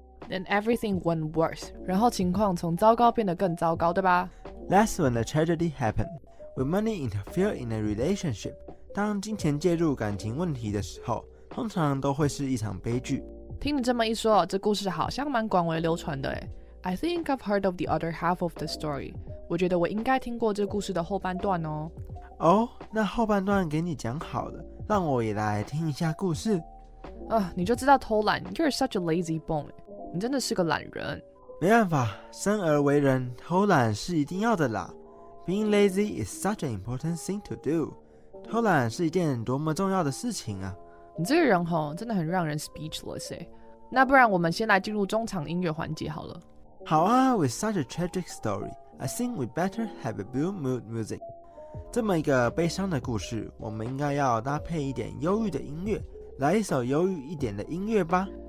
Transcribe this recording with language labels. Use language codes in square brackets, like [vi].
[en] Then everything went worse. [zh] 然后情况从糟糕变得更糟糕，对吧？ [en] That's when the tragedy happened. When money interfere in a relationship, [zh] 当金钱介入感情问题的时候，通常都会是一场悲剧。听你这么一说，这故事好像蛮广为流传的。 [en] I think I've heard of the other half of the story. [zh] 我觉得我应该听过这故事的后半段哦。 Oh, 那后半段给你讲好了，让我也来听一下故事。你就知道偷懒。 [en] You're such a lazy bone. [zh] 你真的是个懒人。没办法，生而为人，偷懒是一定要的啦。 [en] Being lazy is such an important thing to do. [zh] 偷懒是一件多么重要的事情啊。你这个人吼，真的很让人 speechless 欸。那不然我们先来进入中场音乐环节好了。 [en] 好啊， with such a tragic story, I think we better have a blue mood music. [zh] 这么一个悲伤的故事，我们应该要搭配一点忧郁的音乐。来一首忧郁一点的音乐吧。